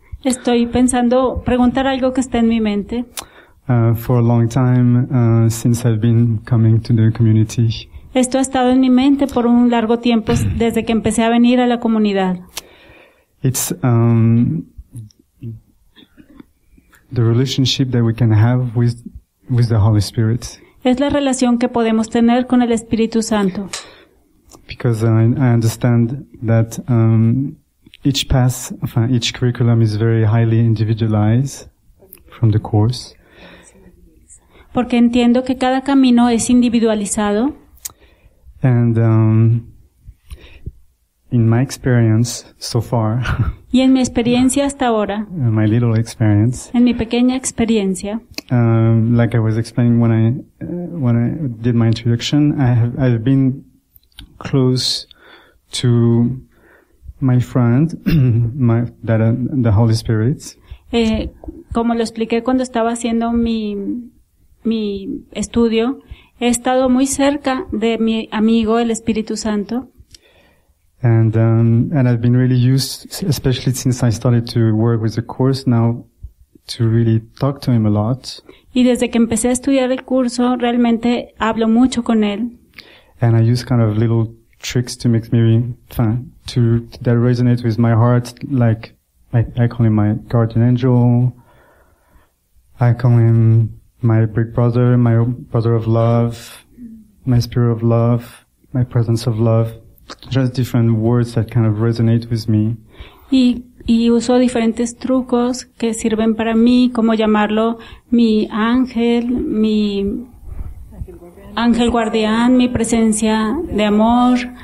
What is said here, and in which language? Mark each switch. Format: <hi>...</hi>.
<es>Estoy pensando preguntar algo que está en mi mente.</es> <en>For a long time, since I've been coming to the community.</en> <es>Esto ha estado en mi mente por un largo tiempo desde que empecé a venir a la comunidad.</es> <en>It's the relationship that we can have with the Holy Spirit.</en> <es>Es la relación que podemos tener con el Espíritu Santo.</es> <en>Because I understand that each path, each curriculum is very highly individualized from the course.</en> <es>Porque entiendo que cada camino es individualizado.</es> <en>And in my experience so far.</en> <es>Y en mi experiencia hasta ahora.</es> <en>In my little experience.</en> <es>En mi pequeña experiencia.</es> <en>Like I was explaining when I did my introduction, I've been close to my friend, the Holy Spirit.</en> <es>Como lo expliqué cuando estaba haciendo mi estudio. He estado muy cerca de mi amigo el Espíritu Santo.</es> <en>And I've been really used, especially since I started to work with the course now, to really talk to him a lot.</en> <es>Y desde que empecé a estudiar el curso, realmente hablo mucho con él.</es> <en>And I use kind of little tricks to make me fun, that resonate with my heart, like I call him my guardian angel. I call him my big brother, my brother of love, my spirit of love, my presence of love. Just different words that kind of resonate with me.</en> <es>Y uso diferentes trucos que sirven para mí, como llamarlo mi ángel, mi ángel guardián, mi presencia de amor,</es>